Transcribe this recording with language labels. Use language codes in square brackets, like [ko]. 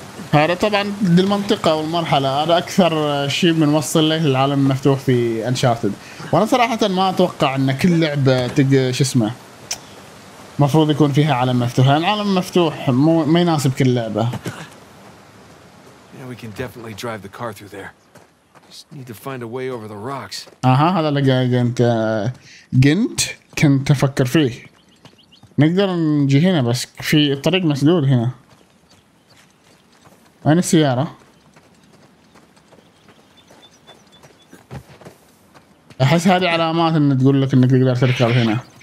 [ar] هذا طبعا دي المنطقة والمرحلة، هذا أكثر شيء بنوصل له للعالم المفتوح في انشارتد. وأنا صراحة ما أتوقع أن كل لعبة تج شو اسمه مفروض يكون فيها عالم مفتوح، لأن العالم المفتوح مو ما يناسب كل لعبة. [en] Yeah, we can definitely drive the car through there. Just need to find a way over the rocks. [ar] هذا اللي قنت كنت أفكر فيه. نقدر نجي هنا بس في الطريق مسدود هنا. وين السيارة؟ أحس هذه علامات إن تقول لك إنك تقدر تركب هنا.